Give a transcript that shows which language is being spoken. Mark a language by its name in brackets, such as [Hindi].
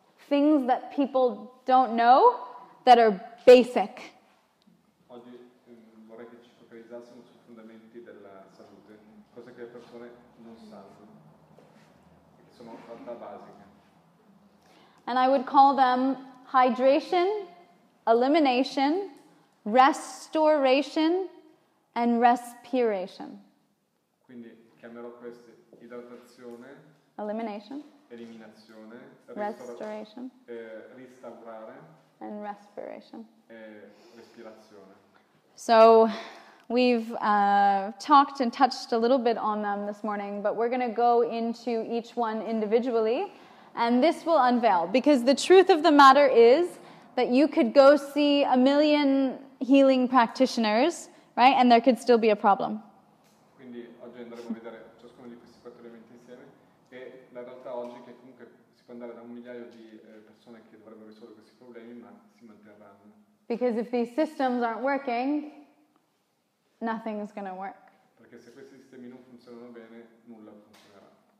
[English] Things that people don't know that are basic. [Italian] Oggi vorrei che ci focalizzassimo sui fondamenti della salute, cose che le persone non sanno, che sono fatta basica. [English] And I would call them hydration, elimination, restoration, and respiration. [Italian] Quindi chiamerò queste idratazione, [English] elimination, [Italian] eliminazione, [English] restoration, [Italian] ristaurare, [English] and respiration. [Italian] E respirazione. [English] So we've talked and touched a little bit on them this morning, but we're going to go into each one individually. And this will unveil, because the truth of the matter is that you could go see a million healing practitioners, right? And there could still be a problem. [Italian] Quindi oggi andremo a vedere ciascuno di questi quattro elementi insieme. E la realtà oggi è che comunque si può andare da un migliaio di persone che dovrebbero risolvere questi problemi, ma si manterranno. [English] Because if these systems aren't working, nothing is going to work. [Italian] Perché se questi sistemi non funzionano bene, nulla funzionerà.